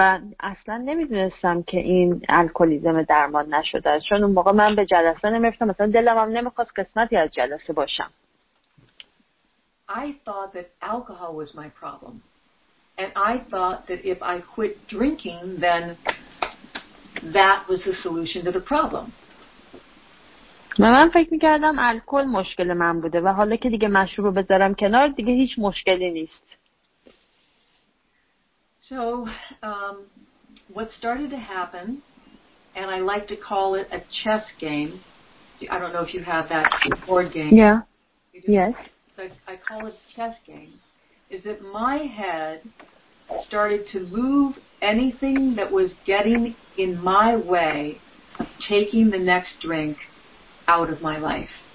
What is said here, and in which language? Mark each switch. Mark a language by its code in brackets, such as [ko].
[fa] و اصلا نمیدونستم که این الکلیزم درمان نشده است، چون اون موقع من به جلسه نمیرفتم، مثلا دلم هم نمیخواست قسمتی از جلسه باشم. [en] I thought that alcohol was my problem and I thought that if I quit drinking then that was the solution to the problem. [fa] من فکر میکردم الکل مشکل من بوده و حالا که دیگه مشروب رو بذارم کنار دیگه هیچ مشکلی نیست. [en] So what started to happen, and I like to call it a chess game. I don't know if you have that board game. Yeah. Yes. So I call it a chess game. Is that my head started to move anything that was getting in my way of taking the next drink out of my life.